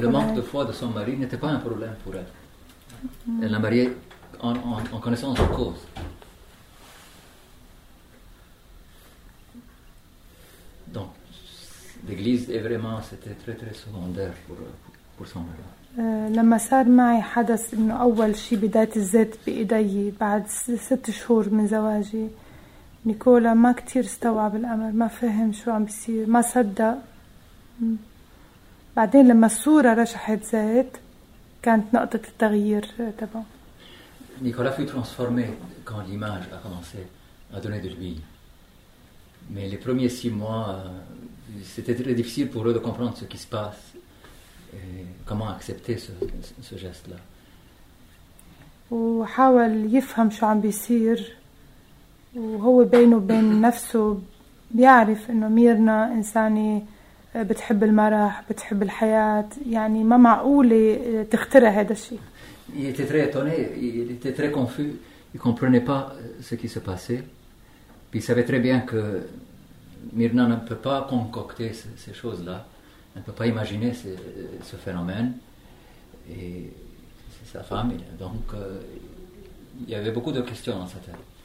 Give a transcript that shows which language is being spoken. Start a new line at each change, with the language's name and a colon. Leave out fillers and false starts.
French: Le manque de foi de son mari n'était pas un problème pour elle. Elle l'a marié en connaissance de cause. Donc l'église est vraiment c'était très très secondaire pour son mari.
Arabic: لما صار معي حدث إنه أول شيء بداية الزيت بإيدي بعد ست شهور من زواجي نيكولا ما كتير استوعب الأمر ما فهم شو عم بيصير ما صدق. بعدين لما الصورة رشحت زيت كانت نقطة التغيير تبعه.
French: نيكولا fut transformé quand l'image a commencé à donner de lui. Mais les premiers six mois, c'était très difficile pour eux de comprendre ce qui se passe et comment accepter ce geste-là.
Arabic: وحاول يفهم شو عم بيصير وهو بينه وبين نفسه بيعرف إنه ميرنا إنساني بتحب المرح بتحب الحياة يعني ما معقول تخترع هذا الشيء.
French: Il était très étonné, il était très confus, il comprenait pas ce qui se passait. Puis il savait très bien que Mirna ne peut pas concocter ces choses-là, ne peut pas imaginer ce phénomène. Et c'est sa famille, donc il y avait beaucoup de questions dans sa tête.